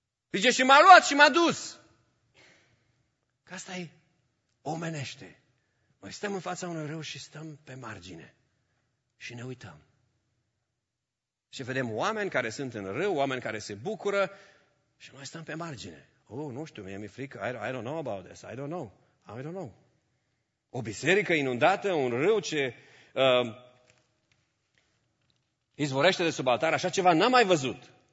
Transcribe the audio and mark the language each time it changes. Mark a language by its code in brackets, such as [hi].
[ro] Zice, și m-a luat și m-a dus. Că asta e omenește. Noi stăm în fața unui râu și stăm pe margine. Și ne uităm. Și vedem oameni care sunt în râu, oameni care se bucură și noi stăm pe margine. Oh, nu știu, mie mi-e frică, [en] I don't know about this, I don't know. [ro] O biserică inundată, un râu ce izvorește de sub altar, așa ceva n-am mai văzut.